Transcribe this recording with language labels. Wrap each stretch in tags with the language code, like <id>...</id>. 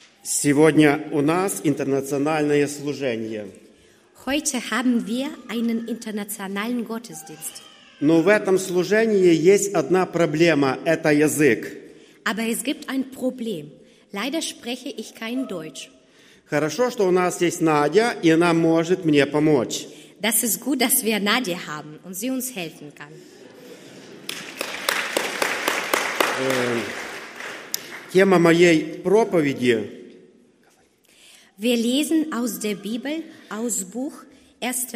<ru>Сегодня у нас интернациональное служение.</ru> <de>Heute haben wir einen internationalen Gottesdienst.</de> <ru>Но в этом служении есть одна проблема – это язык.</ru> <de>Aber es gibt ein Problem. Leider spreche ich kein Deutsch.</de> <ru>Хорошо, что у нас есть Надя, и она может мне помочь.</ru> <de>Das ist gut, dass wir Nadja haben und sie uns helfen kann.</de> <ru>Тема моей проповеди.</ru> <de>Wir lesen aus der Bibel, aus Buch 1.</de>